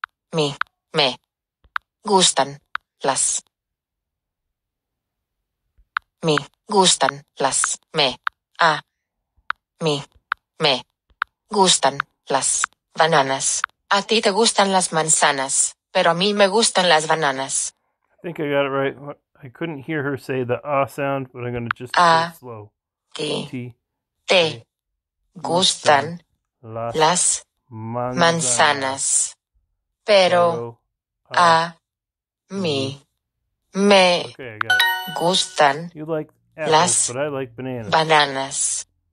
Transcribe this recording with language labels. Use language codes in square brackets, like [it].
[es] Me gustan las. Me gustan las. Me. A. Mi. Me gustan las bananas. A ti te gustan las manzanas, pero a mí me gustan las bananas. [en] I think I got it right. I couldn't hear her say the ah sound, but I'm going to just a do it slow. T. [es] Gustan las manzanas, pero a mí me gustan las bananas.